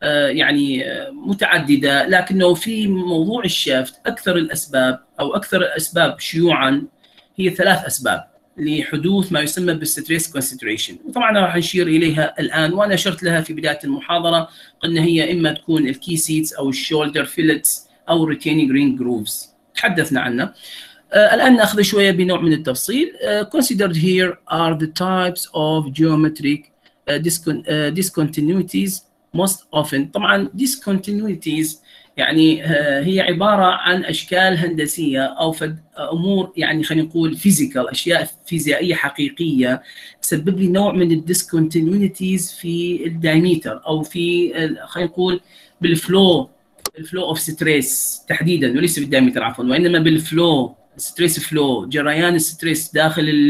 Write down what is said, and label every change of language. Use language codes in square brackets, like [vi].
[ar] يعني متعدده، لكنه في موضوع الشافت اكثر الاسباب او اكثر الاسباب شيوعا هي ثلاث اسباب لحدوث ما يسمى بالستريس كونسنتريشن، وطبعا راح نشير اليها الان، وانا اشرت لها في بدايه المحاضره قلنا هي اما تكون الكي سيتس او الشولدر فيلتس او الريتينينج رينج جروفز تحدثنا عنها. الان ناخذ شويه بنوع من التفصيل. [en] considered here are the types of geometric discontinuities most often. [ar] طبعا discontinuities يعني هي عبارة عن أشكال هندسية أو أمور يعني خلينا نقول فيزيكال، أشياء فيزيائية حقيقية تسبب لي نوع من الديسكونتينيتيز في الدايميتر أو في خلينا نقول بالفلو، الفلو أوف ستريس تحديدا وليس بالدايميتر عفوا، وإنما بالفلو ستريس فلو، جريان الستريس داخل